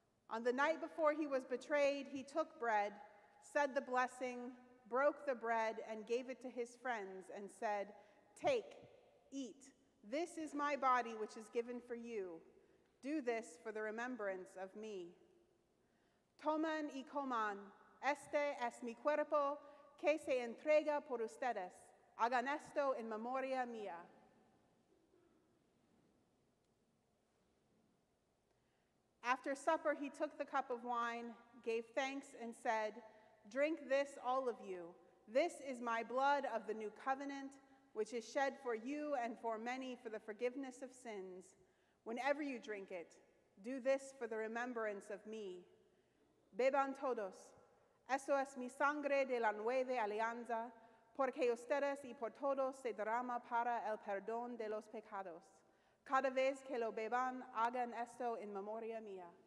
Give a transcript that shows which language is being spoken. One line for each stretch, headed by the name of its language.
English: On the night before he was betrayed, he took bread, said the blessing, broke the bread, and gave it to his friends and said, "Take, eat, this is my body which is given for you. Do this for the remembrance of me."
Spanish: Toman y coman, este es mi cuerpo que se entrega por ustedes. Hagan esto en memoria mía.
English: After supper, he took the cup of wine, gave thanks, and said, "Drink this, all of you. This is my blood of the new covenant, which is shed for you and for many for the forgiveness of sins. Whenever you drink it, do this for the remembrance of me."
Spanish: Beban todos. Eso es mi sangre de la nueva alianza, porque ustedes y por todos se derrama para el perdón de los pecados. Cada vez que lo beban, hagan esto en memoria mía.